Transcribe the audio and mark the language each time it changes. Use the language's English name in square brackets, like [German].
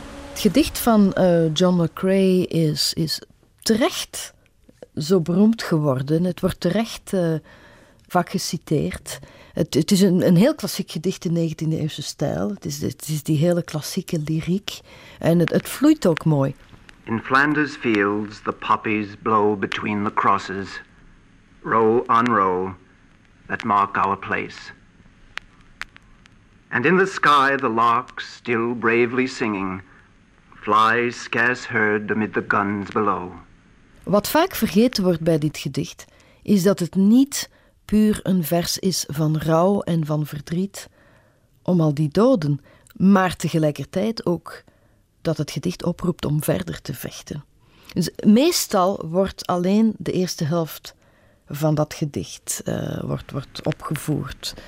[Dutch] Het gedicht van John le Carré is terecht zo beroemd geworden. Het wordt terecht vaak geciteerd. Het is een heel klassiek gedicht in 19e-eeuwse stijl. Het is die hele klassieke lyriek en het vloeit ook mooi. [English] In Flanders fields the poppies blow between the crosses, row on row, that mark our place. And in the sky the larks, still bravely singing, fly scarce heard amid the guns below. [Dutch] Wat vaak vergeten wordt bij dit gedicht, is dat het niet puur een vers is van rouw en van verdriet om al die doden, maar tegelijkertijd ook dat het gedicht oproept om verder te vechten. Dus meestal wordt alleen de eerste helft van dat gedicht wordt opgevoerd.